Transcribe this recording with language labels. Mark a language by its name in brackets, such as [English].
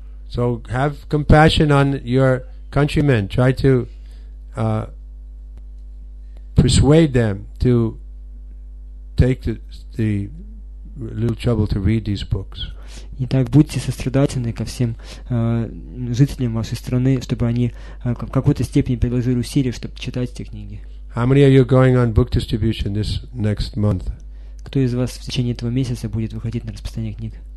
[English] So have compassion on your countrymen. Try to persuade them to take the little trouble to read these books. [Russian] Итак, будьте сострадательны ко всем жителям вашей страны, чтобы они в какой-то степени приложили усилия, чтобы читать эти книги. [English] How many of you are going on book distribution this next month? [Russian] Кто из вас в течение этого месяца будет выходить на распространение книг?